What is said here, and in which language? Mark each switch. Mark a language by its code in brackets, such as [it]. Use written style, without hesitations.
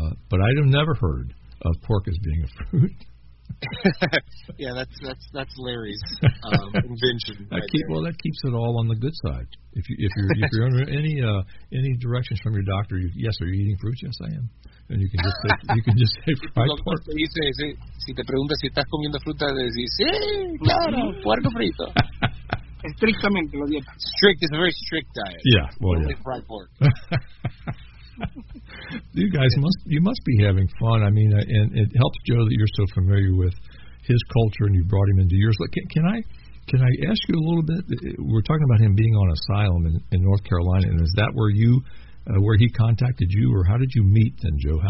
[en] But I have never heard of pork as being a fruit. Yeah, that's Larry's invention. That keeps it all on the good side. If you're under any directions from your doctor, yes, are you eating fruits? Yes, I am. And you can just say fried pork. [es] Si te preguntas si estás comiendo fruta, decís sí, claro, puerco frito. Estrictamente lo dieta. [en] Strict is a very strict diet. Yeah, well, yeah. Only fried pork. You must be having fun. I mean, and it helps Joe that you're so familiar with his culture and you brought him into yours. Like, can I ask you a little bit? We're talking about him being on asylum in North Carolina, and is that where you, where he contacted you, or how did you meet then, Joe?